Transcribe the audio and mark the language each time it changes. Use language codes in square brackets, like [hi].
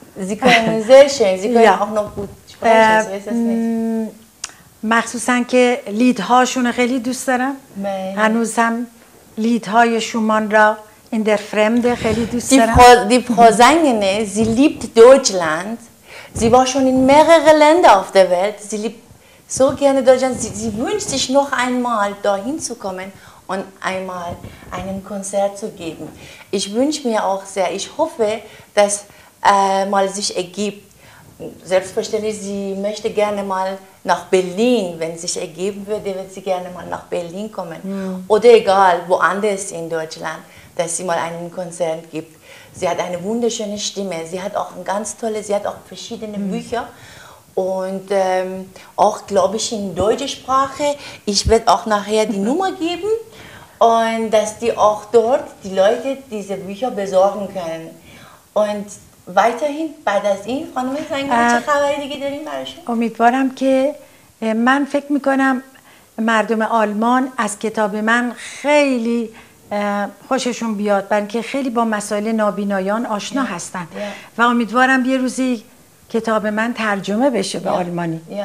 [de] Sie können sehr schön, Sie können auch noch gut sprechen. [fa] مخصوصا که لیدهاشون رو خیلی دوست دارم. هنوزم Liedhaie Schumann ra [de] in der Fremde [fa] خیلی دوست دارم. [de] Die Frau Sängerin, sie liebt Deutschland. Sie war schon in mehrere Länder auf der Welt. Sie liebt so gerne Deutschland. Sie wünscht sich noch einmal dahin zu kommen und einmal einen Konzert zu geben. Ich wünsche mir auch sehr. Ich hoffe, dass mal sich ergibt. Selbstverständlich, sie möchte gerne mal nach Berlin, wenn sich ergeben würde, wird sie gerne mal nach Berlin kommen. Mhm. Oder egal, woanders in Deutschland, dass sie mal einen Konzert gibt. Sie hat eine wunderschöne Stimme, sie hat auch ein ganz tolles, sie hat auch verschiedene Bücher. Und auch, glaube ich, in deutscher Sprache. Ich werde auch nachher die Nummer geben. Und dass die auch dort die Leute diese Bücher besorgen können. Und weiterhin [fa] بعد از این خانم زنگنه چه خبری دیگه داریم براشون؟ امیدوارم که من فکر میکنم مردم آلمان از کتاب من خیلی خوششون بیاد، بلکه خیلی با مسائل نابینایان آشنا هستن و امیدوارم یه روزی کتاب من ترجمه بشه به آلمانی.